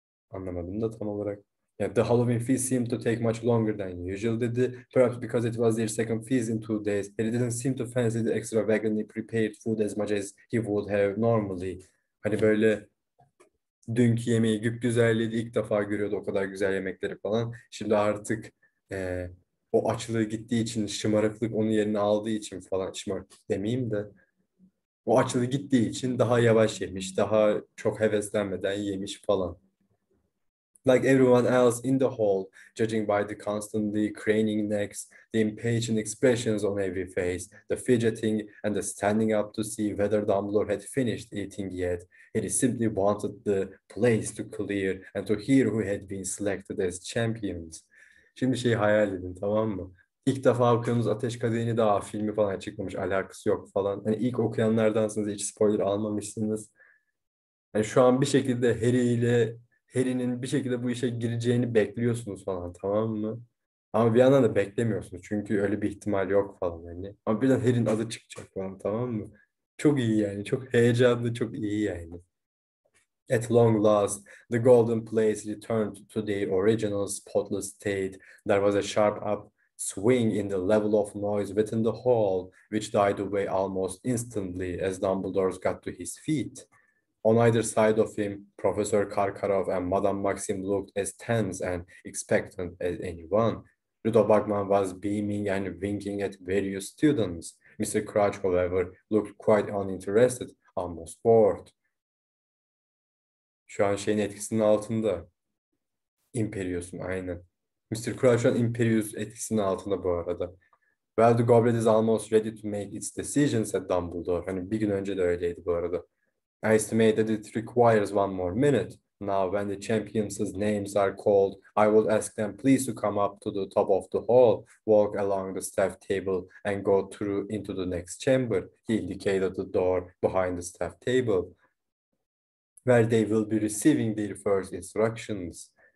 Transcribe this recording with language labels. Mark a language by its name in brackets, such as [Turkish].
[Turkish] Anlamadım da tam olarak. [English] Yeah, the Halloween feast seemed to take much longer than usual, did it? Perhaps because it was their second feast in 2 days, Harry didn't seem to fancy the extravagantly prepared food as much as he would have normally. [Turkish] Hani böyle dünkü yemeği güp güzelliydi, ilk defa görüyordu o kadar güzel yemekleri falan. Şimdi artık o açlığı gittiği için, şımarıklık onun yerini aldığı için falan, şımarıklık demeyeyim de. O açlığı gittiği için daha yavaş yemiş, daha çok heveslenmeden yemiş falan. [English] Like everyone else in the hall, judging by the constantly craning necks, the impatient expressions on every face, the fidgeting and the standing up to see whether Dumbledore had finished eating yet, he simply wanted the place to clear and to hear who had been selected as champions. [Turkish] Şimdi şeyi hayal edin, tamam mı? İlk defa okuyorsunuz Ateş Kadehi'ni, daha filmi falan çıkmamış, alakası yok falan. Hani ilk okuyanlardansınız, hiç spoiler almamışsınız. Yani şu an bir şekilde Harry'nin bir şekilde bu işe gireceğini bekliyorsunuz falan, tamam mı? Ama bir yandan da beklemiyorsunuz çünkü öyle bir ihtimal yok falan hani. Ama birden Harry'nin adı çıkacak falan, tamam mı? Çok iyi yani, çok heyecanlı, çok iyi yani. [English] At long last, the golden place returned to their original spotless state. There was a sharp up swing in the level of noise within the hall, which died away almost instantly as Dumbledore got to his feet. On either side of him, Professor Karkaroff and Madame Maxim looked as tense and expectant as anyone. Ludo Bagman was beaming and winking at various students. Mr. Crouch, however, looked quite uninterested, almost bored. [Turkish] Şu an şeyin etkisinin altında. Imperious'un aynen. Mr. [English] Crouch [Turkish] şu an Imperious etkisinin altında bu arada. [English] Well, the goblet is almost ready to make its decision, said Dumbledore. [Turkish] Hani bir gün önce de öyleydi bu arada. [English] I estimate that it requires one more minute. Now, when the champions' names are called, I will ask them please to come up to the top of the hall, walk along the staff table, and go through into the next chamber. He indicated the door behind the staff table, where they will be receiving their first instructions.